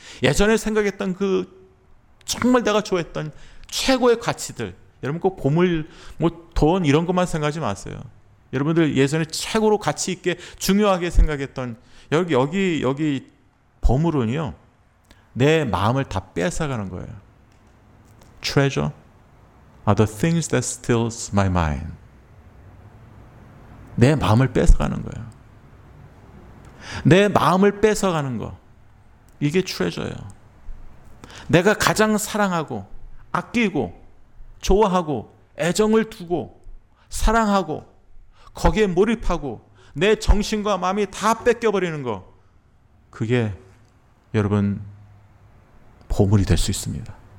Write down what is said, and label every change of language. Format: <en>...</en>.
<ko>예전에 생각했던 그 정말 내가 좋아했던 최고의 가치들 여러분 꼭 보물, 뭐 돈 이런 것만 생각하지 마세요. 여러분들 예전에 최고로 가치 있게 중요하게 생각했던 여기 보물은요, 내 마음을 다 뺏어가는 거예요.</ko> <en>Treasure are the things that steals my mind.</en> <ko>내 마음을 뺏어가는 거예요. 내 마음을 뺏어가는 거, 이게 treasure예요. 내가 가장 사랑하고 아끼고 좋아하고 애정을 두고 사랑하고 거기에 몰입하고 내 정신과 마음이 다 뺏겨버리는 거, 그게 여러분 보물이 될 수 있습니다.</ko>